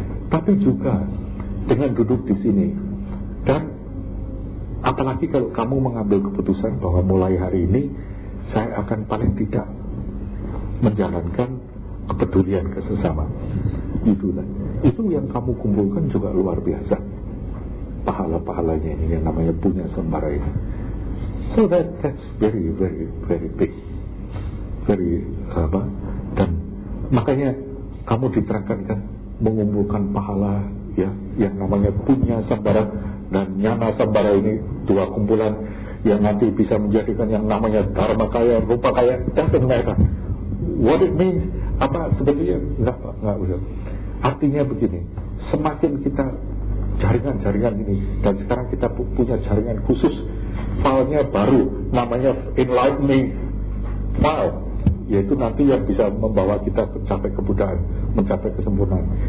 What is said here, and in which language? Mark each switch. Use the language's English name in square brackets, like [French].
[Indonesian] Tapi juga dengan duduk di sini, dan apalagi kalau kamu mengambil keputusan bahwa mulai hari ini saya akan paling tidak menjalankan kepedulian ke sesama, itulah, itu yang kamu kumpulkan juga luar biasa pahala-pahalanya ini, yang namanya punya sembara ini. [English] So that's very very very big, very [Indonesian] apa. Dan makanya kamu diterangkan kan, mengumpulkan pahala ya, yang namanya punya sembara dan nyana sembara ini, dua kumpulan yang nanti bisa menjadikan yang namanya dharma kaya, rupa kaya, dan sebagainya. [English] What it means, [Indonesian] apa sebetulnya, enggak usah. Artinya begini, semakin kita jaringan-jaringan ini, dan sekarang kita punya jaringan khusus, file-nya baru, namanya enlightening file, yaitu nanti yang bisa membawa kita mencapai kebudayaan, mencapai kesempurnaan.